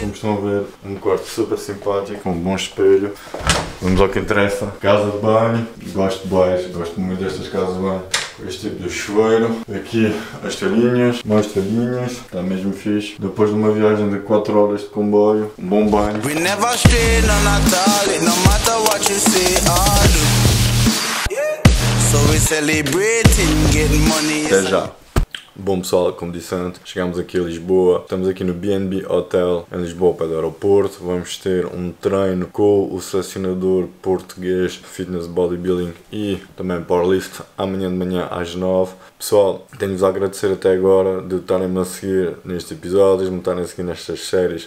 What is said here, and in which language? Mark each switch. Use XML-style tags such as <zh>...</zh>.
<pt>Como estão a ver, um quarto super simpático, com um bom espelho. Vamos ao que interessa. Casa de banho. Gosto de banhos, gosto muito destas casas de banho. Este tipo de chuveiro, aqui as telinhas, mais telinhas, está mesmo fixe. Depois de uma viagem de 4 horas de comboio, um bom banho.</pt> <en>We never stay no Natal, no matter what you say or do. So we celebrating, getting money.</en> <pt>Até já. Bom pessoal, como disse antes, chegámos aqui a Lisboa. Estamos aqui no B&B Hotel em Lisboa, perto do aeroporto. Vamos ter um treino com o selecionador português Fitness Bodybuilding e também Powerlift amanhã de manhã às 9. Pessoal, tenho-vos a agradecer até agora de estarem-me a seguir neste episódio, de me estarem a seguir nestas séries.</pt>